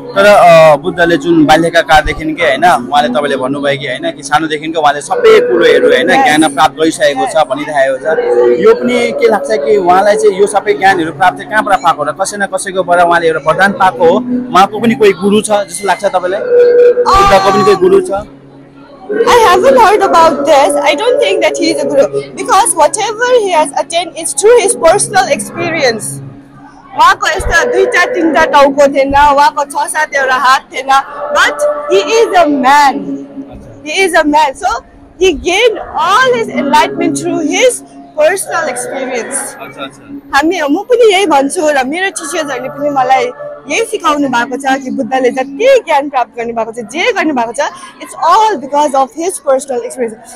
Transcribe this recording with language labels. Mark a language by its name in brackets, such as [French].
[Nepali] तर बुद्धले जुन बाल्यका कालदेखिकै होइन उहाँले तपाईँले भन्नुभयो कि होइन कि सानोदेखिको उहाँले सबै कुरोहरू होइन ज्ञान प्राप्त गरिसकेको छ भनिरहेको छ. यो पनि के लाग्छ कि उहाँलाई चाहिँ यो सबै ज्ञानहरू प्राप्त कहाँबाट पाएको होला, कसै न कसैकोबाट उहाँले एउटा वरदान पाएको हो, उहाँको पनि कोही गुरु छ जस्तो लाग्छ तपाईँलाई, बुद्धको पनि कोही गुरु छ? [English] I haven't heard about this. I don't think that he is a guru because whatever he has attained is through his personal experience. [Nepali] उहाँको यस्तो दुईवटा तिनवटा टाउको थिएन, उहाँको छ सात एउटा हात थिएन, [English] But he is a man, he is a man. So he gain all his enlightenment through his personal experience. [Nepali] हामी म पनि यही भन्छु र मेरो टिचर्सहरूले पनि मलाई यही सिकाउनु भएको छ कि बुद्धले जति ज्ञान प्राप्त गर्नुभएको छ, जे गर्नुभएको छ, [English] It's all because of his personal experience.